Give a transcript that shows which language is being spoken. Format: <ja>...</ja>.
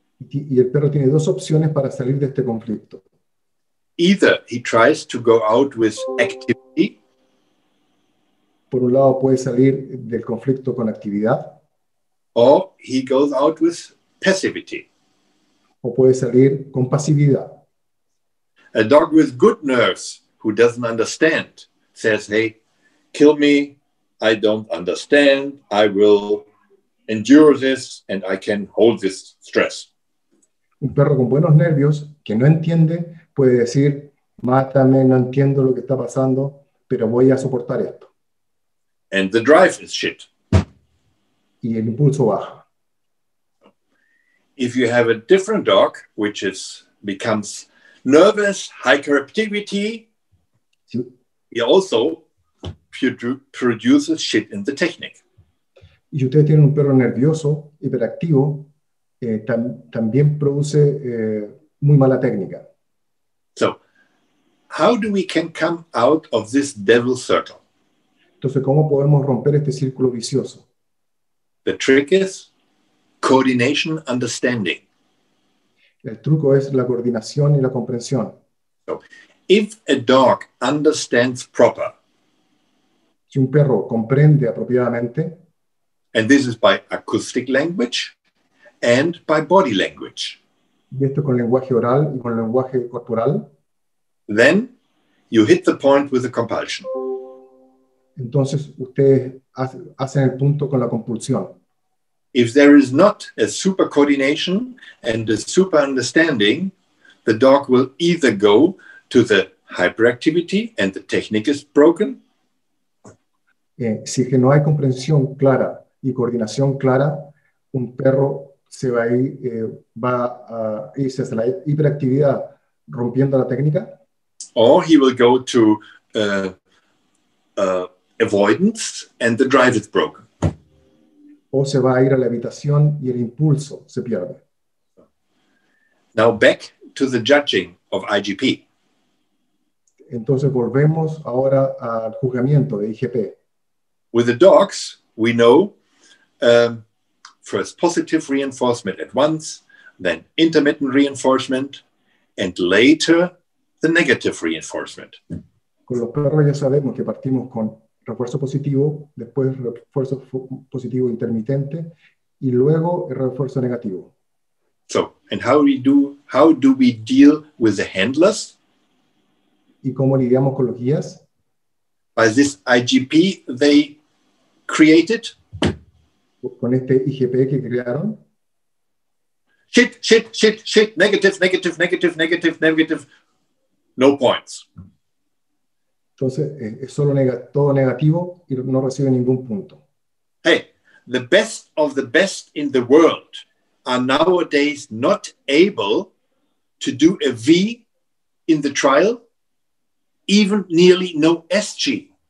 <es>Y el perro tiene dos opciones para salir de este conflicto.</es> <en>Either he tries to go out with activity.</en> <es>Por un lado puede salir del conflicto con actividad.</es> <en>Or he goes out with passivity.</en> <es>O puede salir con pasividad.</es> <en>A dog with good nerves who doesn't understand says, hey, kill me, I don't understand, I will endure this and I can hold this stress.</en> <es>Un perro con buenos nervios que no entiende puede decir, mátame, no entiendo lo que está pasando, pero voy a soportar esto.</es> <en>And the drive is shit.</en> <es>Y el impulso baja.</es> <en>If you have a different dog, which is becomes nervous, hyperactivity, he also produces shit in the technique.</en> <es>Y usted tiene un perro nervioso, hiperactivo, también produce muy mala técnica.</es> <en>So, how do we can come out of this devil circle?</en> <es>Entonces, ¿cómo podemos romper este círculo vicioso?</es> <en>The trick is coordination, understanding.</en> <es>El truco es la coordinación y la comprensión.</es> <en>So, if a dog understands proper,</en> <es>si un perro comprende apropiadamente,</es> <en>and this is by acoustic language and by body language,</en> <es>y esto con lenguaje oral y con lenguaje corporal,</es> <en>then you hit the point with the compulsion.</en> <es>Entonces ustedes hacen el punto con la compulsión.</es> <en>If there is not a super coordination and a super understanding, the dog will either go to the hyperactivity and the technique is broken.</en> <es>Si es que no hay comprensión clara y coordinación clara, un perro se va a ir, va a irse hacia la hiperactividad rompiendo la técnica.</es> <en>Or he will go to avoidance and the drive is broken.</en> <es>O se va a ir a la evitación y el impulso se pierde.</es> <en>Now back to the judging of IGP.</en> <es>Entonces volvemos ahora al juzgamiento de IGP.</es> <en>With the dogs, we know first positive reinforcement at once, then intermittent reinforcement, and later the negative reinforcement.</en> <es>Con los perros ya sabemos que partimos con refuerzo positivo, después refuerzo positivo intermitente y luego el refuerzo negativo.</es> <en>So, and how do we deal with the handlers?</en> <es>¿Y cómo lidiamos con los guías?</es> <en>By this IGP they created?</en> <es>Con este IGP que crearon.</es> <en>Shit, shit, shit, shit, negative, negative, negative, negative, negative, no points.</en> <es>Entonces, es solo todo negativo y no recibe ningún punto.</es> <en>Hey, the best of the best in the world are nowadays not able to do a V in the trial, even nearly no SG.</en>